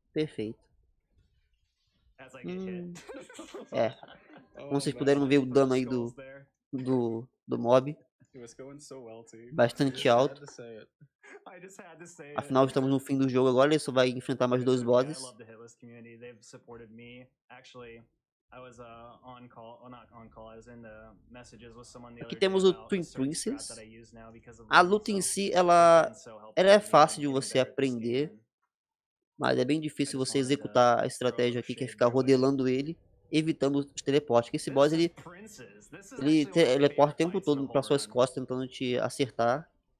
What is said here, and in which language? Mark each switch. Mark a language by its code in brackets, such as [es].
[pt] Perfeito. [en] As I get hit. [pt] É. Como vocês puderam ver o dano aí do mob. [en] It was going so well, too. [pt] Bastante alto. [en] I just had to say it. [pt] Afinal, estamos no fim do jogo agora, ele só vai enfrentar mais dois bosses. [en] I love the hitless community, they've supported me. Actually, I was on call, well, not on call, I was in the messages with someone the other. [pt] Aqui temos o Twin Princess. A luta em si, ela é fácil de você aprender, mas é bem difícil você executar a estratégia aqui, que é ficar rodelando ele, evitando os teleportes. Esse boss, ele teleporta o tempo todo para suas costas, tentando te acertar.